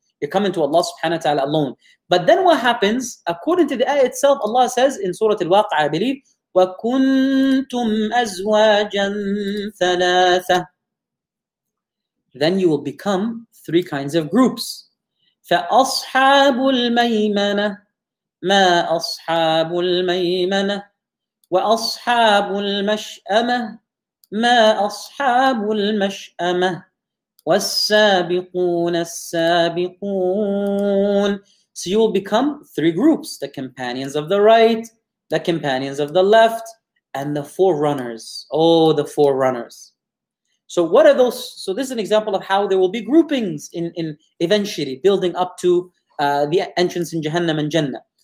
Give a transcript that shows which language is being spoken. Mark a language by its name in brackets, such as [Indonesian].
[English] You're coming to Allah subhanahu wa ta'ala alone. But then what happens, according to the ayah itself, Allah says in Surah Al-Waqi'ah, I believe, [Arabic] وَكُنْتُمْ أَزْوَاجًا ثَلَاثًا. [English] Then you will become three kinds of groups. [Arabic] فَأَصْحَابُ الْمَيْمَنَةِ. ما أصحاب الميمنة وأصحاب المشأمة ما أصحاب المشأمة والسابقون السابقون. [English] So you will become three groups: the companions of the right, the companions of the left, and the forerunners. Oh, the forerunners. So what are those? So this is an example of how there will be groupings in eventually building up to the entrance in Jahannam and Jannah.